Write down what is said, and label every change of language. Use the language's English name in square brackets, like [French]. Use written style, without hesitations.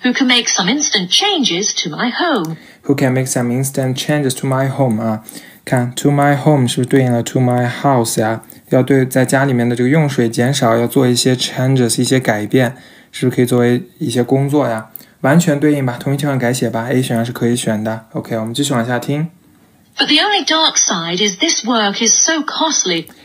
[English] Who can make some instant changes to my home? Who can make some instant changes to my home? [Chinese] 啊。看 [English] to my home [Chinese] 是不是对应了 [English] to my house [Chinese] 呀？要对在家里面的这个用水减少，要做一些 changes 一些改变，是不是可以作为一些工作呀？完全对应吧，同一情况改写吧。 A 选项是可以选的。OK， 我们继续往下听。 [English] But the only dark side is this work is so costly.